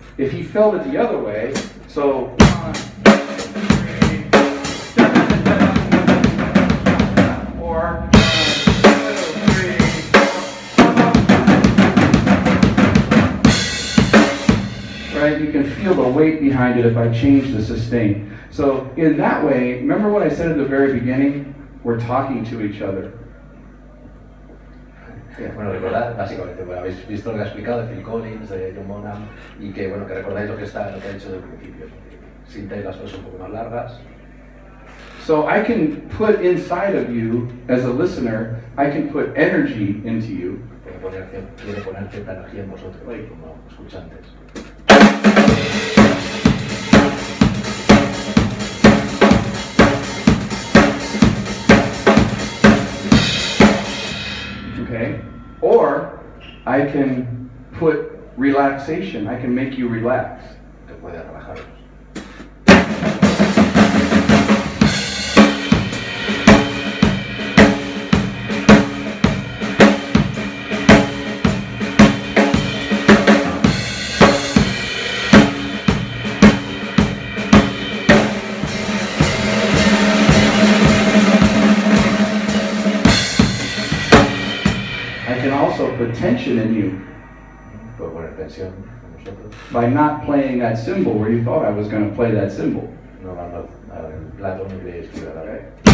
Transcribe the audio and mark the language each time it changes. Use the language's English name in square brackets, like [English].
[English] If he felt it the other way, so 1, 2, 3, 4, 1, 2, 3, 4. Right, you can feel the weight behind it if I change the sustain. So in that way, remember what I said at the very beginning? We're talking to each other. [Spanish] Bueno, recordad, básicamente, bueno, habéis visto lo que ha explicado de Phil Collins, de John Bonham, y que, bueno, que recordáis lo que ha dicho del principio. Sintáis las cosas un poco más largas. [English] So I can put inside of you, as a listener, I can put energy into you. [Spanish] Quiero poner cierta energía en vosotros, sí, como escuchantes. [English] Or I can put relaxation, I can make you relax. [Spanish] Te puede relajar. [English] I can also put tension in you. [Spanish] Puedo poner tensión en nosotros. [English] By not playing that cymbal where you thought I was going to play that cymbal. [Spanish] No, no, no, no, el plato no creí que iba a dar, ¿eh?